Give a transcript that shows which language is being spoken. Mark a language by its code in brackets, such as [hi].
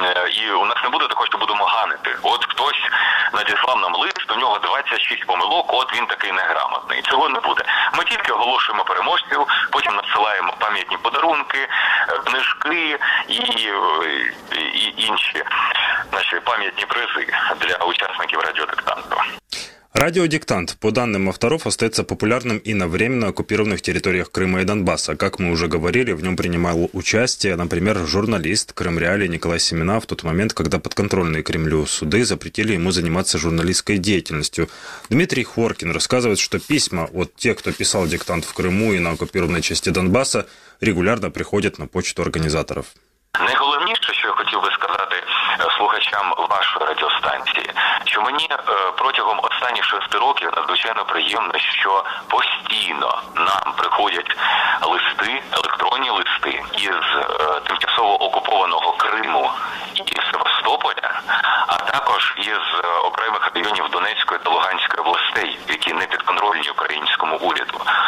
[uk] І у нас не буде такого, що будемо ганити. От хтось надіслав нам лист, у нього 26 помилок, от він такий неграмотний. Цього не буде. Ми тільки оголошуємо переможців, потім надсилаємо пам'ятні подарунки, книжки і інші наші пам'ятні призи для учасників радіодиктанту. [ru] Радиодиктант, по данным авторов, остается популярным и на временно оккупированных территориях Крыма и Донбасса. Как мы уже говорили, в нем принимал участие, например, журналист Крымреалии Николай Семена в тот момент, когда подконтрольные Кремлю суды запретили ему заниматься журналистской деятельностью. Дмитрий Хворкин рассказывает, что письма от тех, кто писал диктант в Крыму и на оккупированной части Донбасса, регулярно приходят на почту организаторов. [uk] Найголовніше, що я хотів би сказати слухачам вашої радіостанції, що мені протягом останніх 6 років надзвичайно приємно, що постійно нам приходять листи, електронні листи із тимчасово окупованого Криму і Севастополя, а також із окремих районів Донецької та Луганської областей, які не підконтрольні українському уряду.